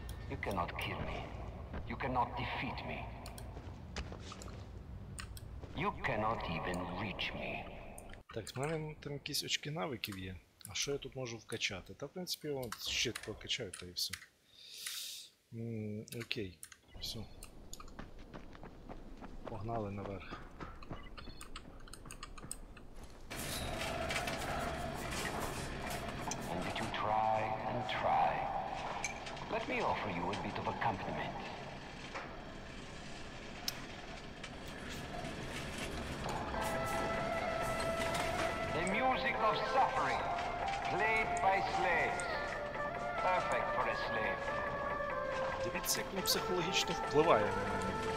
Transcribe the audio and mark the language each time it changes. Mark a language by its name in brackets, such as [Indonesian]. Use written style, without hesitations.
[English] You cannot kill me. You cannot defeat me. You cannot even reach me. [Ukrainian] Так, в мене там якісь очки навиків є. А що я тут можу вкачати? Та, в принципі, я ще покачаю, та і все. Окей, все. Погнали наверх. [English] And you try and try. Let me offer you a bit of accompaniment. The music of suffering, played by slaves. Perfect for a slave. [Ukrainian] Дивіться, як він психологічно впливає на мене.